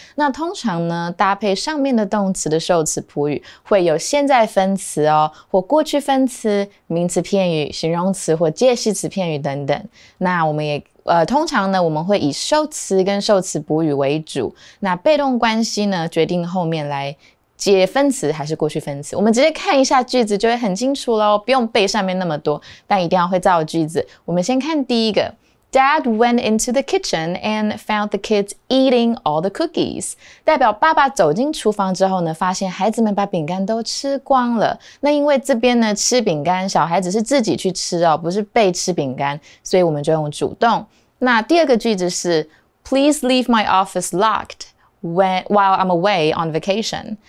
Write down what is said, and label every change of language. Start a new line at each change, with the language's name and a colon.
Chinese: 那通常呢，搭配上面的动词的受词补语，会有现在分词哦，或过去分词、名词片语、形容词或介系词片语等等。那我们也通常呢，我们会以受词跟受词补语为主。那被动关系呢，决定后面来接分词还是过去分词。我们直接看一下句子就会很清楚喽，不用背上面那么多，但一定要会造句子。我们先看第一个。
English: Dad went into the kitchen and found the kids eating all the cookies.
Chinese: 代表爸爸走进厨房之后呢，发现孩子们把饼干都吃光了。那因为这边呢，吃饼干，小孩子是自己去吃哦，不是被吃饼干，所以我们就用主动。那第二个句子是 Please leave my office locked while I'm away on vacation.